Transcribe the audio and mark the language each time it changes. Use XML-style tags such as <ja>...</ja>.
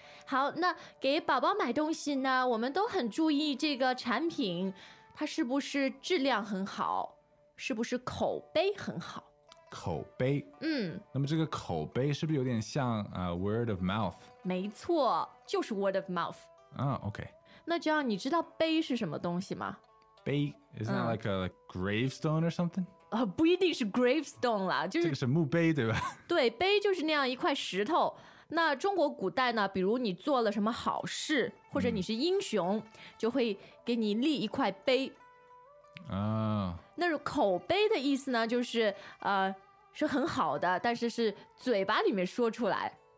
<zh>好，那给宝宝买东西呢，我们都很注意这个产品它是不是质量很好，是不是口碑很好。口碑，嗯，那么这个口碑是不是有点像、</zh> <en>word of mouth？</en> <zh>没错，就是</zh> <en>word of mouth。啊 OK，</en> <zh>那这样你知道碑是什么东西吗？</zh> <en>碑 isn't that like a gravestone or something？</en> <zh>不一定是 gravestone 啦，就是这个是墓碑对吧？对，碑就是那样一块石头。那中国古代呢，比如你做了什么好事或者你是英雄、嗯、就会给你立一块碑。啊、那口碑的意思呢，就是是很好的，但是是嘴巴里面说出来。</zh>